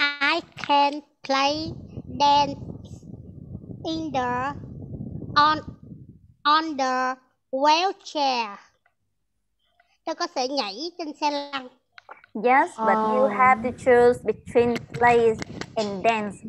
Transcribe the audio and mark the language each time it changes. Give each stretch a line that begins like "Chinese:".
English: I can play dance in the on the wheelchair.
Vietnamese: Tôi có thể nhảy trên xe lăn.
English: Yes, but you have to choose between play and dance.